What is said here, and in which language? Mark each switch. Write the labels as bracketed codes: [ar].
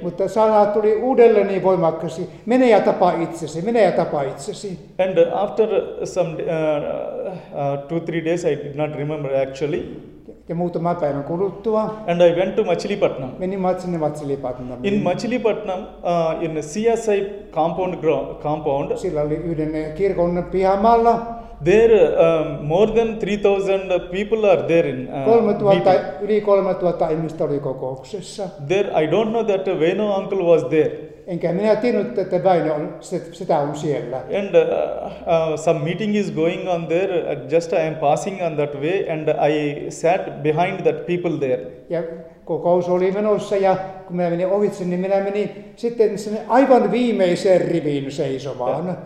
[fi] Mutta sana tuli uudelleen niin voimakkaasti, mene ja tapa itsesi, mene ja tapa itsesi. [en] And after some 2-3 days I did not remember actually. [fi] Ja muutama päivän kuluttua. [en] And I went to Machilipatnam. [fi] Menin Machilipatnam. [en] In Machilipatnam, in a CSI compound. [fi] Sillä oli yhden kirkon pihamalla. [en] There more than 3,000 people are there in [fi] yli 3,000 ihmistä oli kokouksessa. [en] There I don't know that Veino uncle was there. [fi] Enkä minä tiennyt, että Väinö on sitä on siellä. [en] And some meeting is going on there. Just I am passing on that way, and I sat behind that people there. [fi] Ja kokous oli menossa, ja kun minä menin ohitse, niin minä menin sitten sen aivan viimeiseen riviin seisomaan.